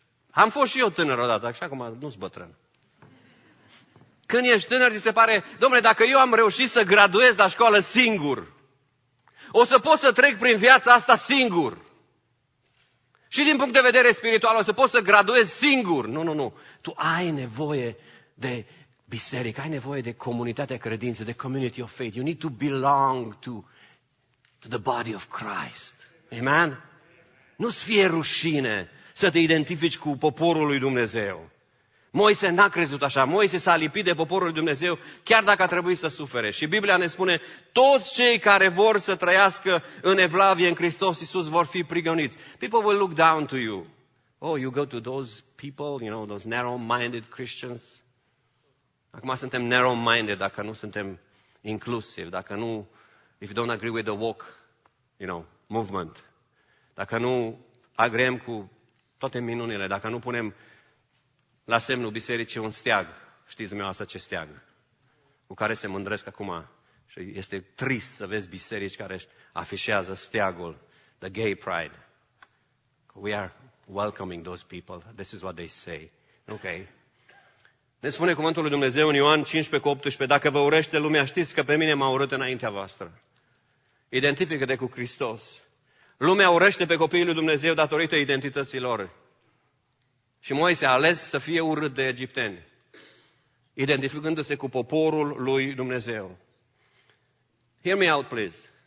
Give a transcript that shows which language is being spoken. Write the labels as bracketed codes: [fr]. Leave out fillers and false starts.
[ro] Am fost și eu tânăr odată, așa cum nu-s bătrân. Când ești tânăr, ți se pare, domnule, dacă eu am reușit să graduez la școală singur, o să pot să trec prin viața asta singur. Și din punct de vedere spiritual, o să pot să graduez singur. Nu, nu, nu. Tu ai nevoie de biserică, ai nevoie de comunitatea credinței, de [en] community of faith. You need to belong to the body of Christ. Amen? [ro] Nu-ți fie rușine să te identifici cu poporul lui Dumnezeu. Moise n-a crezut așa. Moise s-a lipit de poporul lui Dumnezeu, chiar dacă a trebuit să sufere. Și Biblia ne spune, toți cei care vor să trăiască în evlavie, în Hristos Iisus, vor fi prigoniți. [en] People will look down to you. Oh, you go to those people, you know, those narrow-minded Christians. [ro] Acum suntem [en] narrow-minded [ro] dacă nu suntem inclusivi, dacă nu, [en] if you don't agree with the woke, you know, movement. [ro] Dacă nu agreem cu toate minunile, dacă nu punem la semnul bisericii un steag, știți dumneavoastră ce steag, cu care se mândresc acum. Și este trist să vezi biserici care afișează steagul, [en] the gay pride. We are welcoming those people, this is what they say. Okay. [ro] Ne spune cuvântul lui Dumnezeu în Ioan 15:18, dacă vă urește lumea, știți că pe mine m-a urât înaintea voastră. Identifică-te cu Hristos. Lumea urăște pe copiii lui Dumnezeu datorită identității lor. Și Moise a ales să fie urât de egipteni, identificându-se cu poporul lui Dumnezeu. [en] Hear me out, please.